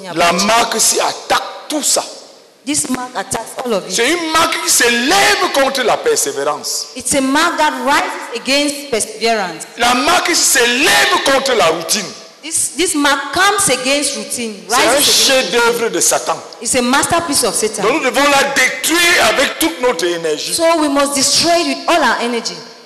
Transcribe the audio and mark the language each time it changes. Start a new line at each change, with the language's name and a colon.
English: In your
French: la marque s'y attaque tout ça.
English: This mark attacks all of you.
French: C'est une marque qui s'élève contre la persévérance.
English: It's a mark that rises against perseverance.
French: La marque s'élève contre la routine.
English: This mark comes against routine.
French: C'est un chef-d'œuvre de Satan.
English: It's a masterpiece of Satan.
French: Donc nous devons la détruire avec toute notre énergie.
English: So we must destroy it with all our energy.